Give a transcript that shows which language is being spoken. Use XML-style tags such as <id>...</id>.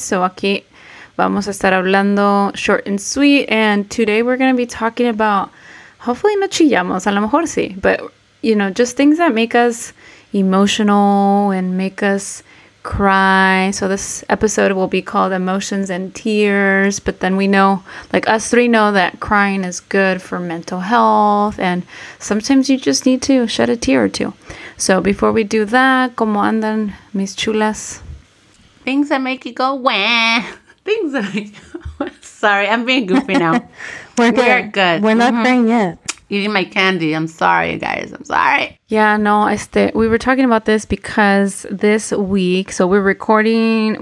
<en>So</en> <es>aquí vamos a estar hablando</es> <en>short and sweet, and today we're going to be talking about, hopefully</en> <es>no chillamos, a lo mejor sí,</es> <en>but, you know, just things that make us emotional and make us cry. So this episode will be called Emotions and Tears, but then we know, like us three know, that crying is good for mental health, and sometimes you just need to shed a tear or two. So before we do that,</en> <es>¿cómo andan mis chulas?</es> <en>Things that make you go wah. Things that make you... Sorry, I'm being goofy now. We're good. We're not crying yet. Eating my candy. I'm sorry, guys. I'm sorry. Yeah, no. We were talking about this because this week, so we're recording...</en>